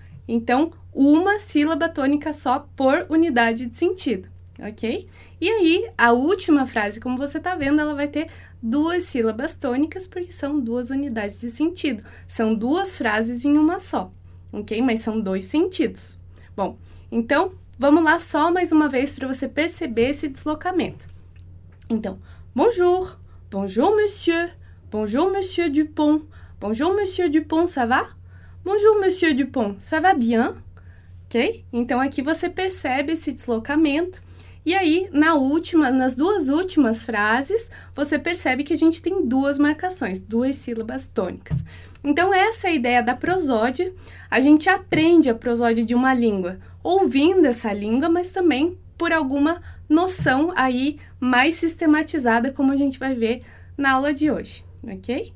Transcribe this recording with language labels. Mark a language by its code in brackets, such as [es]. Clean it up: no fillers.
[pt] Então, uma sílaba tônica só por unidade de sentido, ok? E aí, a última frase, como você está vendo, ela vai ter duas sílabas tônicas, porque são duas unidades de sentido. São duas frases em uma só, ok? Mas são dois sentidos. Bom, então, vamos lá só mais uma vez para você perceber esse deslocamento. [fr] Então, bonjour, bonjour, monsieur. Bonjour, monsieur Dupont. Bonjour, monsieur Dupont, ça va? Bonjour, monsieur Dupont, ça va bien? Ok? [pt] Então, aqui você percebe esse deslocamento. E aí, nas duas últimas frases, você percebe que a gente tem duas marcações, duas sílabas tônicas. Então, essa é a ideia da prosódia. A gente aprende a prosódia de uma língua ouvindo essa língua, mas também por alguma noção aí mais sistematizada, como a gente vai ver na aula de hoje. Ok?